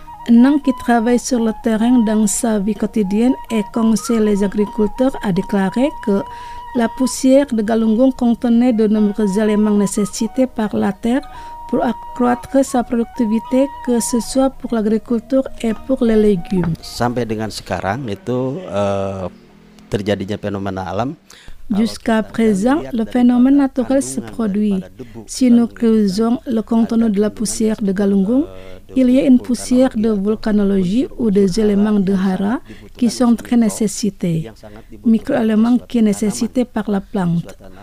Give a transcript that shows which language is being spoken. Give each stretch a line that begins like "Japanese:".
French: Nang, qui travaille sur le terrain dans sa vie quotidienne et conseille les agriculteurs, a déclaré que la poussière de Galunggung contenait de nombreux éléments nécessités par la terre pour accroître sa productivité, que ce soit pour l'agriculture et pour les légumes.
Indonesian: Sampai dengan sekarang itu terjadinya fenomena alam.
French: Jusqu'à présent, le phénomène naturel se produit. Si nous creusons le contenu de la poussière de Galunggung, il y a une poussière de volcanologie ou des éléments de hara qui sont très nécessités, micro-éléments qui sont nécessités par la plante.